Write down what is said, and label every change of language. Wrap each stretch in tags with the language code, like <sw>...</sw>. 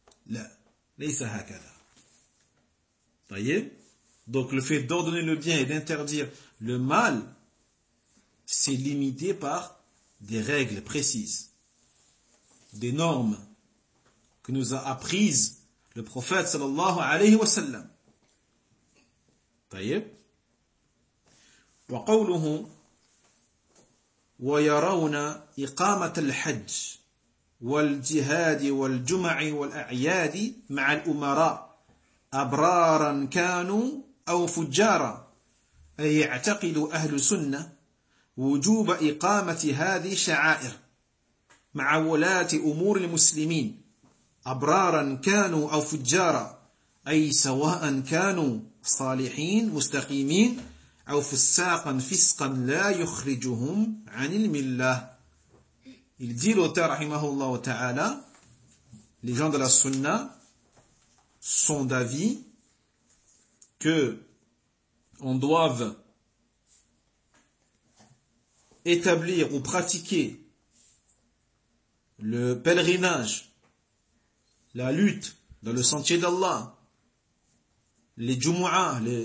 <ar>La, laysa hakada.</ar> <fr>Voyez? Donc, le fait d'ordonner le bien et d'interdire le mal, c'est limité par des règles précises, des normes que nous a apprises le prophète sallallahu alayhi wa sallam.</fr> <ar>طيب وقوله ويرون إقامة الحج والجهاد والجمع والأعياد مع الأمراء أبرارا كانوا أو فجارا أي يعتقد أهل سنة وجوب إقامة هذه شعائر مع ولاة أمور المسلمين أبرارا كانوا أو فجارا أي سواء كانوا صالحين مستقيمين أو فساقا فسقا لا يخرجهم عن الملة.</ar> <fr>Il dit l'auteur</fr> <ar>رحمه الله تعالى,</ar> <fr>les gens de la sunna sont d'avis que on doive établir ou pratiquer le pèlerinage, la lutte dans le sentier d'Allah, les Jumu'ah,</fr>